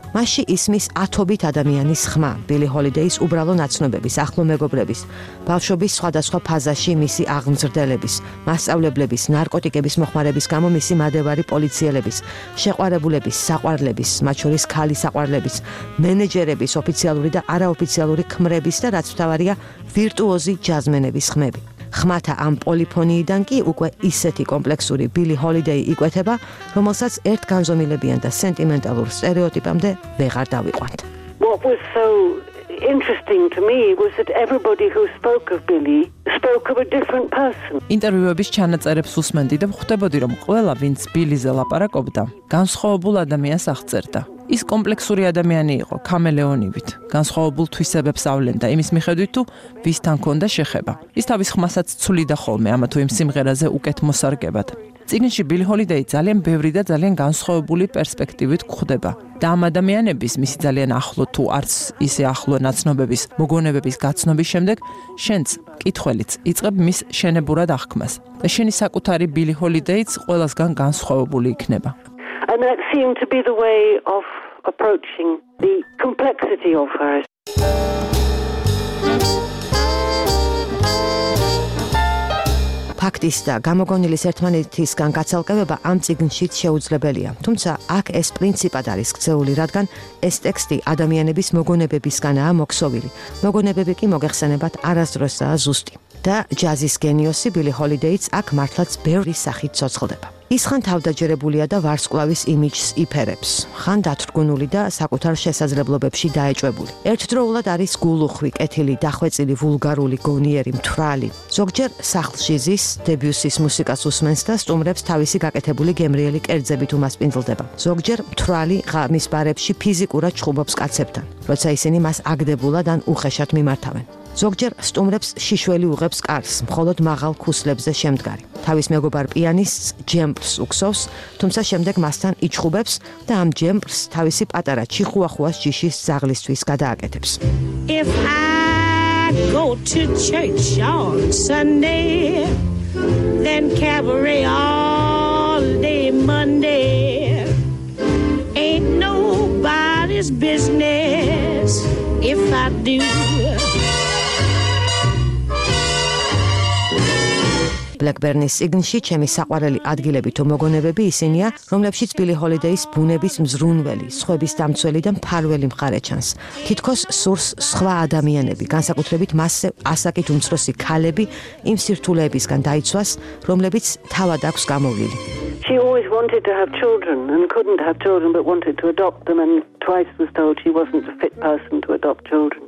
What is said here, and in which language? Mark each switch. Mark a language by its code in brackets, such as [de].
[ka] მასში ისმის ათობით ადამიანის ხმა, ბილი ჰოლიდეის უბრალო ნაცნობების, ახლო მეგობრების, ბავშვობის სხვადასხვა ფაზაში მისი აღმზრდელების, მასწავლებლების, ნარკოტიკების მოხმარების გამო მისი მადევარი პოლიციელების, შეყვარებულების, საყვარლების, მათ შორის ქალი საყვარლების, მენეჯერების ოფიციალური და არაოფიციალური ხმების და რაც მთავარია ვირტუოზი ჯაზმენების ხმები. ხმათა ამ პოლიფონიიდან კი უკვე ისეთი კომპლექსური ბილი ჰოლიდეი იკვეთება, რომელსაც ერთ განზომილებიან და სენტიმენტალურ სტერეოტიპამდე ვეღარ დავიყვანთ. [en] What was so interesting to me was that everybody who spoke of Billy spoke of a different person. [ka] ინტერვიუების ჩანაწერებს უსმენდი და ხვდებოდი, რომ ყველა, ვინც ბილიზე ლაპარაკობდა, განსხვავებულ ადამიანს აღწერდა. ის კომპლექსური ადამიანი იყო, ქამელეონივით, განსხვავებულ თვისებებს ავლენდა იმის მიხედვით თუ ვისთან ჰქონდა შეხება. ის თავის ხმასაც ცვლიდა ხოლმე ამა თუ იმ სიმღერაზე უკეთ მოსარგებად. წიგნში ბილი ჰოლიდეი ძალიან ბევრი და ძალიან განსხვავებული პერსპექტივით გვხვდება და ამ ადამიანების, მისი ძალიან ახლო თუ არც ისე ახლო ნაცნობების მოგონებების გაცნობის შემდეგ შენც კითხველიც იწყებ მის შენებურად აღქმას და შენი საკუთარი ბილი ჰოლიდეიც ყველასგან განსხვავებული იქნება. [en] And that seemed to be the way of approaching the complexity of her. [ka] ფაქტის და გამოგონილის ერთმანეთისგან გაცალკევება ამ წიგნში შეუძლებელია. თუმცა აქ ეს პრინციპად არის ქცეული, რადგან ეს ტექსტი ადამიანების მოგონებებისგანაა მოქსოვილი. მოგონებები კი მოგეხსენებათ არასდროსაა ზუსტი. და ჯაზის გენიოსი ბილი ჰოლიდეიც აქ მართლაც ბევრი სახით ცოცხლდება. ის ხან თავდაჯერებულია და ვარსკვლავის იმიჯს იფერებს, ხან დათრგუნული და საკუთარ შესაძლებლობებში დაეჭვებული. ერთდროულად არის გულუხვი, კეთილი, დახვეწილი, ვულგარული, გონიერი, მთვრალი. ზოგჯერ სახლში ზის, დებიუსის მუსიკას უსმენს და სტუმრებს თავისი გაკეთებული გემრიელი კერძებით უმასპინძლდება. ზოგჯერ მთვრალი ღამის ბარებში ფიზიკურად ჩხუბობს კაცებთან, როცა ისინი მას აგდებულად ან უხეშად მიმართავენ. ზოგჯერ სტუმრებს შიშველი უღებს კარს, მხოლოდ მაღალ ქუსლებზე შემდგარი. თავის მეგობარ პიანისტს ჯემპს უქსოვს, თუმცა შემდეგ მასთან იჩხუბებს და ამ ჯემპს თავისი პატარა ჩიხუახუას ჯიშის ზაღლისთვის გადააკეთებს. [en] If I go to church on Sunday, then cabaret all day Monday. Ain't nobody's business if I do. [ka] Blackburnის სიგნში ჩემი საყვარელი ადგილები თუ მოგონებები ისინია, რომლებშიც ბილი ჰოლიდეის ბუნების მზრუნველი, სხვების დამცველი და მფარველი მხარე ჩანს. თითქოს სურს სხვა ადამიანები, განსაკუთრებით მასზე ასაკით უმცროსი ქალები იმ სირთულეებისგან დაიცვას, რომლებიც თავად აქვს გამოვლილი. [en] She always wanted to have children and couldn't have children but wanted to adopt them and twice was told she wasn't a fit person to adopt children.